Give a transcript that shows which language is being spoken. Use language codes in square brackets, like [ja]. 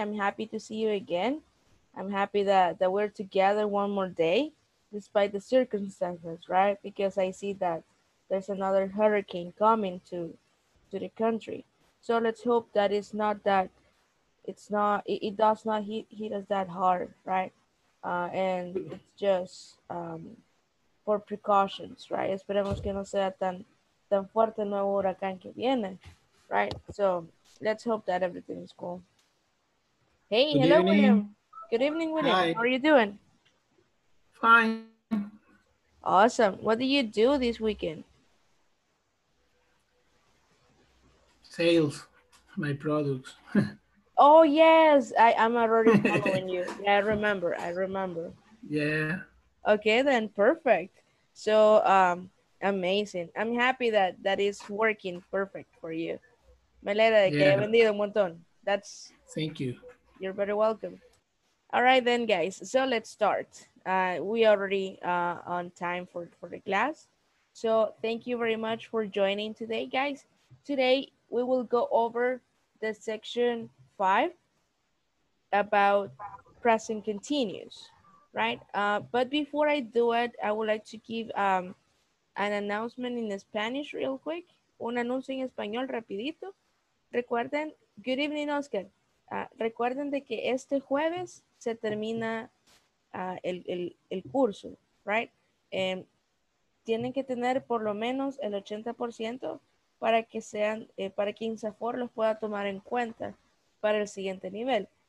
[en] I'm happy to see you again. I'm happy that we're together one more day, despite the circumstances, right? Because I see that there's another hurricane coming to the country. So let's hope that it does not hit us that hard, right? And it's just for precautions, right? [es] Esperemos que no sea tan fuerte el nuevo huracán que viene, right? [en] So let's hope that everything is cool. Hey, good hello, evening. William. Good evening, William. Hi. How are you doing? Fine. Awesome. What do you do this weekend? Sales, my products. Oh, yes. I'm already following you. Yeah, I remember. Yeah. Okay, then. Perfect. So, amazing. I'm happy that is working perfect for you. [es] Me alegra de que haya vendido un montón. [en] Thank you. You're very welcome. All right then, guys. So let's start. We already on time for the class. So thank you very much for joining today, guys. Today we will go over the section 5 about present continuous, right? But before I do it, I would like to give an announcement in Spanish real quick. [es] Un anuncio en español rapidito. Recuerden, [en] good evening, [es] Oscar. Recuerden de que este jueves se termina el curso, right? Tienen que tener por lo menos el 80% para que sean, para que INSAFOR los pueda tomar en cuenta para el siguiente nivel.